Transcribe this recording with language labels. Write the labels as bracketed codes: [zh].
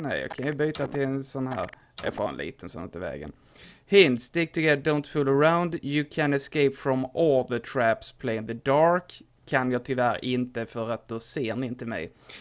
[sv] Nej, jag kan ju byta till en sån här. Jag får en liten sån till vägen. [en] Hint, stick together, don't fool around. You can escape from all the traps, play in the dark. [sv] Kan jag tyvärr inte, för att då ser ni inte mig.